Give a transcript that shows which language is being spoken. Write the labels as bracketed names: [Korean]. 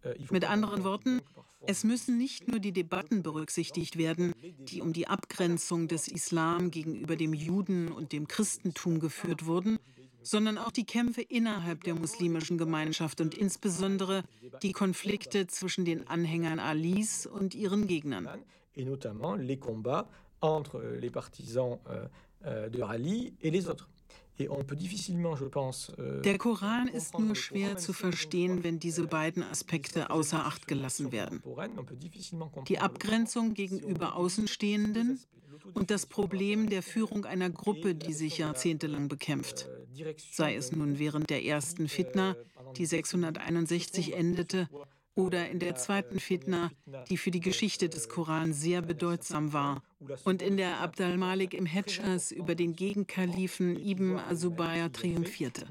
[German] Mit anderen Worten, es müssen nicht nur die Debatten berücksichtigt werden, die um die Abgrenzung des Islam gegenüber dem Juden und dem Christentum geführt wurden, sondern auch die Kämpfe innerhalb der muslimischen Gemeinschaft und insbesondere die Konflikte zwischen den Anhängern Alis und ihren Gegnern. [French] Und notamment les combats entre les partisans de Ali et les autres. Et on peut difficilement, je pense, [German] der Koran ist nur schwer zu verstehen, wenn diese beiden Aspekte außer Acht gelassen werden. Die Abgrenzung gegenüber Außenstehenden und das Problem der Führung einer Gruppe, die sich jahrzehntelang bekämpft. Sei es nun während der ersten Fitna, die 661 endete, oder in der zweiten Fitna, die für die Geschichte des Koran sehr bedeutsam war, und in der Abd al-Malik im Hedschas über den Gegenkalifen Ibn Azubayr triumphierte.